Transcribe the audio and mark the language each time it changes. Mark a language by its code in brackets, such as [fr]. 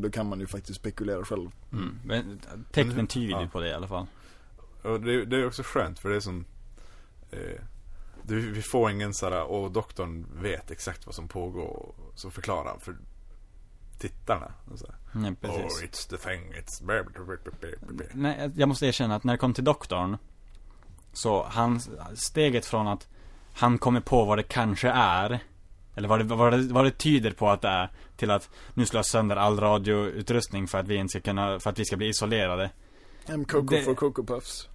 [sv] Då kan man ju faktiskt spekulera själv. Men tecknen tyder ju på det i alla fall. Och det är också skönt, för det är som vi får ingen såhär, och doktorn vet exakt vad som pågår, och så förklarar han för tittarna. Oh, [en] it's The Thing, it's blah, blah, blah, blah, blah. [sv] Nej, jag måste erkänna att när det kom till doktorn, så han, steget från att han kommer på vad det kanske är, eller vad det tyder på att det är, till att nu slår sönder all radioutrustning för att vi inte ska kunna, för att vi ska bli isolerade. MKK det, för Coco Puffs.